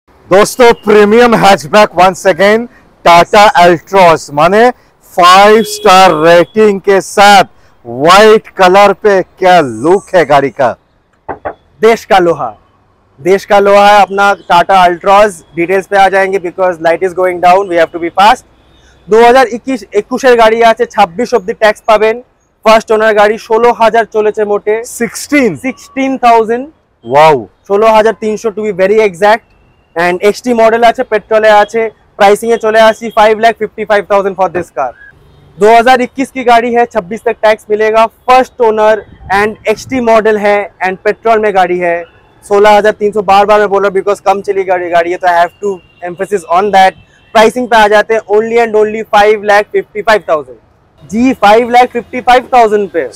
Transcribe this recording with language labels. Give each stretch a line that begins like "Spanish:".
Hindi: दोस्तों premium hatchback once again Tata Altroz, माने five-star rating के साथ, व्हाइट कलर पे क्या लुक है गाड़ी का, देश का लोहा है अपना टाटा अल्ट्रोस। डिटेल्स पे आ जाएंगे
English: Because light is going down, we have to be fast.
Bangla: 2021-21 গাড়ি আছে 26 অবধি ট্যাক্স পাবেন ফার্স্ট ওনার গাড়ি 16000 চলেছে মোটে
English: 16000 wow
Bangla: 16300 two be very exact and XT model আছে পেট্রোলে আছে প্রাইসিং এ চলে আসি 5,55,000 ফর দিস কার
Hindi: 2021 की गाड़ी है 26 तक टैक्स मिलेगा first owner and XT model है एंड पेट्रोल में गाड़ी है 16300 बार बार मैं बोला बिकॉज कम चली गाड़ी है तो
English: I have to emphasis on that
Hindi: pricing पे आ जाते हैं ओनली एंड ओनली 5,55,000 जी 5,55,000 पे